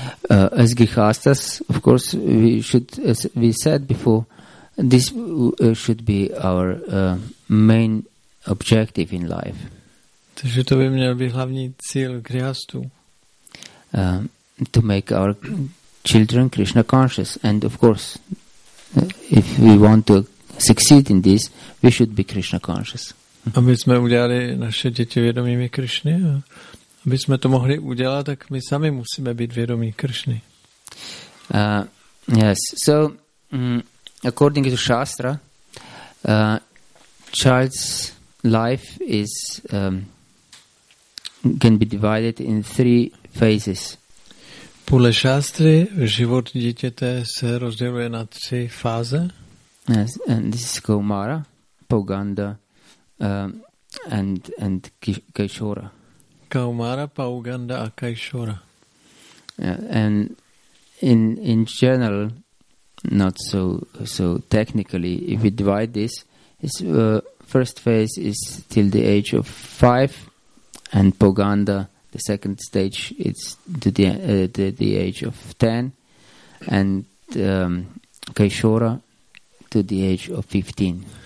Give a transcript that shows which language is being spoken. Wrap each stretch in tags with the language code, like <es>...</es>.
<en>As Gih asked us, of course, we should, as we said before, this should be our main objective in life.</en> <cs>Takže to by měl být hlavní cíl Grihastu.</cs> <en>To make our children Krishna conscious, and of course, if we want to succeed in this, we should be Krishna conscious.</en> <cs>Aby jsme udělali naše děti vědomými Krishny, aby jsme to mohli udělat, tak my sami musíme být vědomí Krishny.</cs> <en>Yes. So according to Shastra, child's life is can be divided in three phases.</en> <cs>Podle šástry život dítěte se rozděluje na tři fáze.</cs> <en>Yes, and this is Kaumara, Pauganda, and Kaishora.</en> <cs>Kaumara, Pauganda a Kaishora.</cs> <en>And in general, not so technically, if we divide this, its first phase is till the age of 5, and Pauganda, the second stage, it's to the age of 10, and Kaishora to the age of 15.</en>